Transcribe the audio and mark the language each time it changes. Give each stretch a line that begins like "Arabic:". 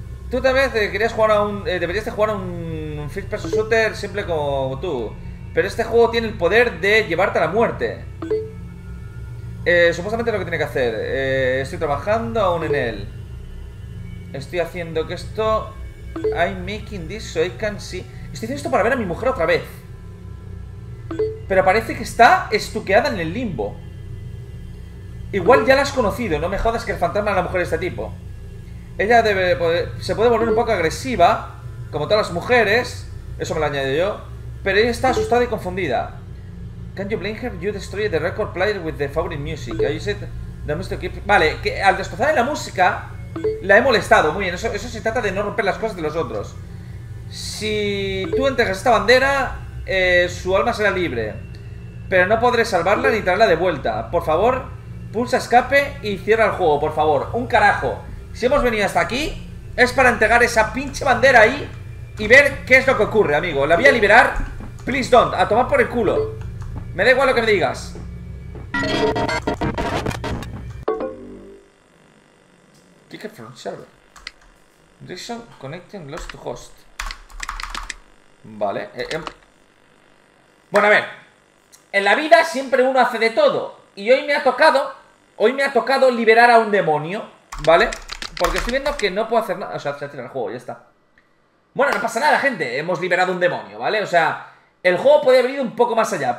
Spanish: Tú tal vez querías jugar a un, deberías de jugar a un first person shooter simple como tú. Pero este juego tiene el poder de llevarte a la muerte. Supuestamente es lo que tiene que hacer. Estoy trabajando aún en él. Estoy haciendo que esto...
English: I'm making this so I can see...
Spanish: Estoy haciendo esto para ver a mi mujer otra vez. Pero parece que está estuqueada en el limbo. Igual ya la has conocido. No me jodas que el fantasma de la mujer de este tipo. Ella debe poder... se puede volver un poco agresiva, como todas las mujeres. Eso me lo añado yo. Pero ella está asustada y confundida.
English: Can you blame her? You destroyed the record player with the favorite music. I said the music keep...
Spanish: Vale, que al destrozar la música... La he molestado, muy bien, eso se trata de no romper las cosas de los otros. Si tú entregas esta bandera, su alma será libre. Pero no podré salvarla ni traerla de vuelta. Por favor, pulsa escape y cierra el juego, por favor. Un carajo. Si hemos venido hasta aquí, es para entregar esa pinche bandera ahí y ver qué es lo que ocurre, amigo. La voy a liberar,
English: please don't,
Spanish: a tomar por el culo. Me da igual lo que me digas.
English: Ticket from server. Direction connecting lost to host.
Spanish: Vale. Bueno, a ver. En la vida siempre uno hace de todo. Y hoy me ha tocado. Hoy me ha tocado liberar a un demonio. ¿Vale? Porque estoy viendo que no puedo hacer nada. O sea, se ha tirado el juego, ya está. Bueno, no pasa nada, gente. Hemos liberado un demonio, ¿vale? O sea, el juego puede haber ido un poco más allá.